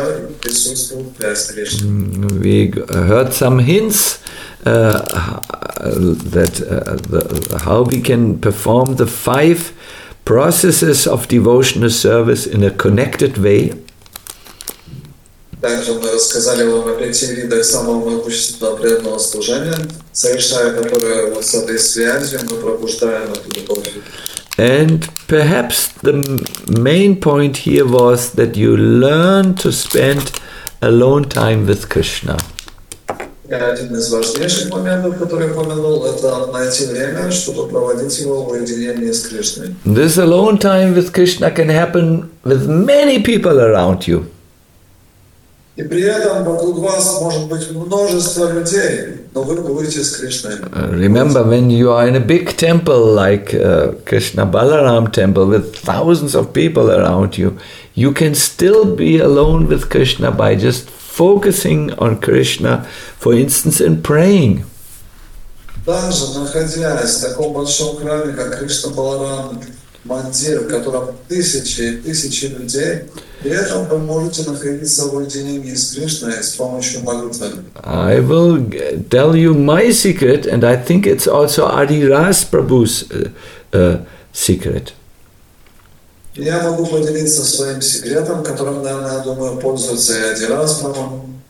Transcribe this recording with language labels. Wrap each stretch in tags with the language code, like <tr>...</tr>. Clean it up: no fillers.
<en>We heard some hints how we can perform the 5 processes of devotional service in a connected way.</en> <ru>Также мы рассказали вам о 5 видах самого могущественного преданного служения, совершая которое вот с этой связью мы пробуждаем эту любовь.</ru> <en>And perhaps the main point here was that you learn to spend alone time with Krishna.</en> <ru>Один из важнейших моментов, который я упомянул, это найти время, чтобы проводить его в уединении с Кришной.</ru> <en>This alone time with Krishna can happen with many people around you.</en> <ru>И при этом вокруг вас может быть множество людей, но вы будете с Кришной.</ru> <en>Remember, when you are in a big temple like Krishna Balaram temple with thousands of people around you, you can still be alone with Krishna by just focusing on Krishna, for instance, in praying.</en> <ru>Даже находясь в таком большом храме, как Кришна Баларам Мандир, в котором тысячи и тысячи людей, при этом вы можете находиться в уединении с Кришной с помощью молитвы.</ru> <en>I will tell you my secret, and I think it's also Adiras Prabhu's secret.</en> <ru>Я могу поделиться своим секретом, которым, наверное, я думаю, пользуется и Адирас Прабху.</ru>